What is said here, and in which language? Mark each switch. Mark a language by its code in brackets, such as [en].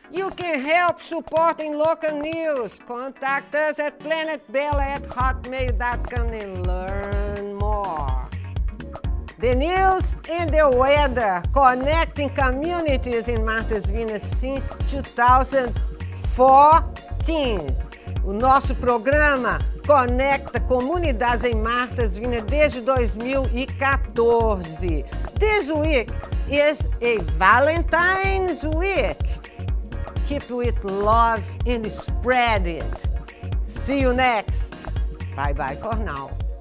[en] You can help supporting local news. Contact us at planetbella@hotmail.com and learn more. The news and the weather, connecting communities in Martha's Vineyard since 2014. [pt] O nosso programa conecta comunidades em Martha's Vineyard desde 2014. [en] This week is a Valentine's week. Keep with love and spread it. See you next. Bye bye for now.